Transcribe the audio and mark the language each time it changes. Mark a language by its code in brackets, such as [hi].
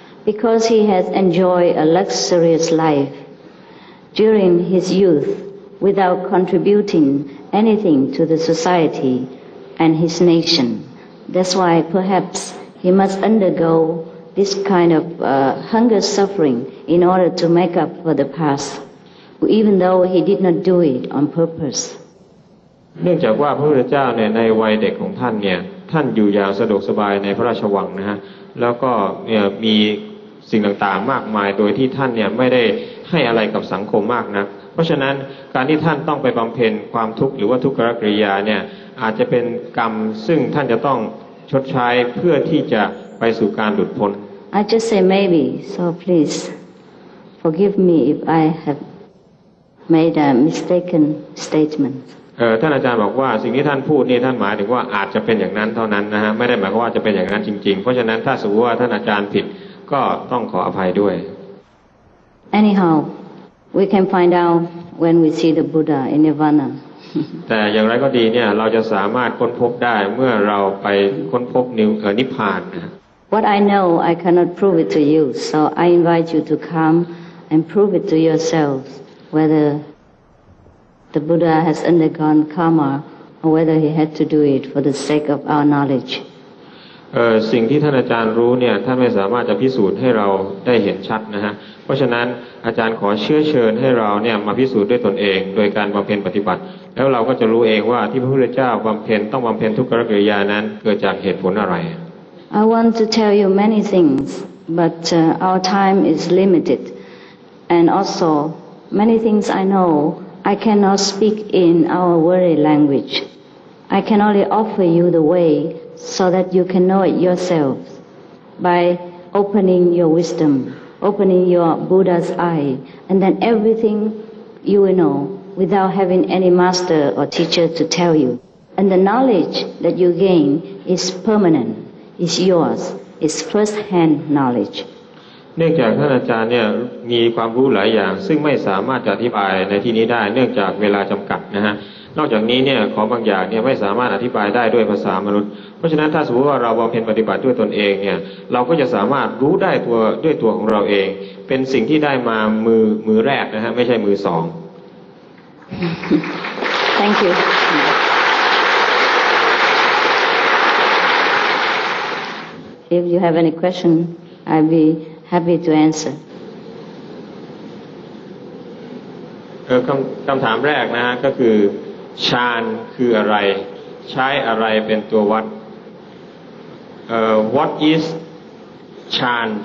[en] Because he has enjoyed a luxurious life during his youth without contributing anything to the society and his nation that's why perhaps he must undergo this kind of hunger suffering in order to make up for the past even though he did not do it on purpose [th] เนื่องจากว่าพระพุทธเจ้าเนี่ยในวัยเด็กของท่านเนี่ยท่านอยู่อย่างสะดวกสบายในพระราชวังนะฮะแล้วก็เนี่ยมีสิ่งต่างๆมากมายโดยที่ท่านเนี่ยไม่ได้ให้อะไรกับสังคมมากนักเพราะฉะนั้นการที่ท่านต้องไปบำเพ็ญความทุกข์หรือว่าทุกขกิริยาเนี่ยอาจจะเป็นกรรมซึ่งท่านจะต้องชดใช้เพื่อที่จะไปสู่การหลุดพ้น [en] I just say maybe so please forgive me if I have made a mistaken statement [th] ท่านอาจารย์บอกว่าสิ่งที่ท่านพูดนี่ท่านหมายถึงว่าอาจจะเป็นอย่างนั้นเท่านั้นนะฮะไม่ได้หมายว่าจะเป็นอย่างนั้นจริงๆเพราะฉะนั้นถ้าสมมติว่าท่านอาจารย์ผิดก็ต้องขออภัยด้วย [en] Anyhow we can find out when we see the Buddha in Nirvana [th] แต่อย่างไรก็ดีเนี่ยเราจะสามารถค้นพบได้เมื่อเราไปค้นพบนิพพานนะ [en] What I know I cannot prove it to you so I invite you to come and prove it to yourselves whetherThe Buddha has undergone karma, or whether he had to do it for the sake of our knowledge. [th] สิ่งที่ท่านอาจารย์รู้เนี่ยท่านไม่สามารถจะพิสูจน์ให้เราได้เห็นชัดนะฮะเพราะฉะนั้นอาจารย์ขอเชื้อเชิญให้เราเนี่ยมาพิสูจน์ด้วยตนเองโดยการบำเพ็ญปฏิบัติแล้วเราก็จะรู้เองว่าที่พระพุทธเจ้าบำเพ็ญต้องบำเพ็ญทุกขกิริยานั้นเกิดจากเหตุผลอะไร [en] I want to tell you many things, but our time is limited, and also many things I know. I cannot speak in our worry language. I can only offer you the way so that you can know it yourself by opening your wisdom, opening your Buddha's eye, and then everything you will know without having any master or teacher to tell you. And the knowledge that you gain is permanent, is yours, is first-hand knowledge. [th] เนื่องจากท่านอาจารย์เนี่ยมีความรู้หลายอย่างซึ่งไม่สามารถจะอธิบายในที่นี้ได้เนื่องจากเวลาจำกัดนะฮะนอกจากนี้เนี่ยขอบางอย่างเนี่ยไม่สามารถอธิบายได้ด้วยภาษามนุษย์เพราะฉะนั้นถ้าสมมติว่าเราบำเพ็ญปฏิบัติด้วยตนเองเนี่ยเราก็จะสามารถรู้ได้ตัวด้วยตัวของเราเองเป็นสิ่งที่ได้มามือแรกนะฮะไม่ใช่มือสอง [en] Thank you If you have any question I'll beHappy to answer. [th] คำถามแรกนะฮะก็คือฌานคืออะไรใช้อะไรเป็นตัววัด [en] What is chan?